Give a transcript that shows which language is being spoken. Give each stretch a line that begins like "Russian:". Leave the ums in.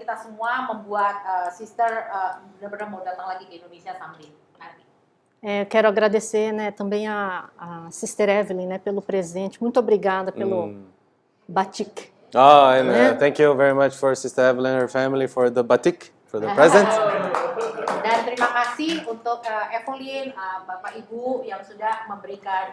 Indonesian: kita semua membuat uh, sister benar-benar uh, mau datang lagi ke
English: for the
Portuguese: É, eu quero agradecer né, também a, a Sister Evelyn né, pelo presente. Muito obrigada pelo mm. batik. Oh, and, né?
English: uh, thank you very much for Sister Evelyn and her family for the batik, for the present.
Indonesian: Dan terima kasih untuk uh, Evelyn, uh, Bapak Ibu yang sudah memberikan